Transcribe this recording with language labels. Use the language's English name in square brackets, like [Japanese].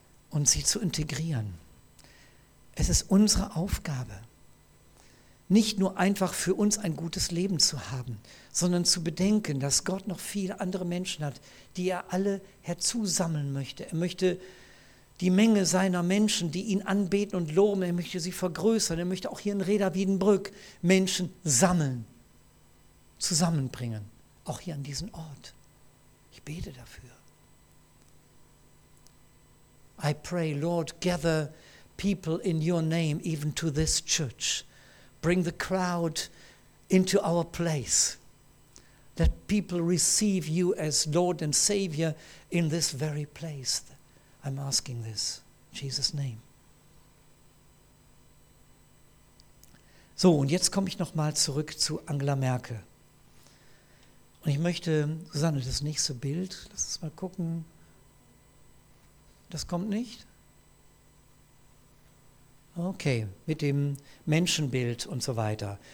[German] Und sie zu integrieren. Es ist unsere Aufgabe, nicht nur einfach für uns ein gutes Leben zu haben, sondern zu bedenken, dass Gott noch viele andere Menschen hat, die er alle herzusammeln möchte. Er möchte die Menge seiner Menschen, die ihn anbeten und loben, er möchte sie vergrößern. Er möchte auch hier in Reda-Wiedenbrück Menschen sammeln, zusammenbringen, auch hier an diesen Ort. Ich bete dafür. [English] I pray, Lord, gather people in your name, even to this church. Bring the crowd into our place. Let people receive you as Lord and Savior in this very place. I'm asking this in Jesus' name. [German] So, und jetzt komme ich nochmal zurück zu Angela Merkel. Und ich möchte, Susanne, das nächste Bild, lass uns mal gucken. Das kommt nicht? Okay, mit dem Menschenbild und so weiter.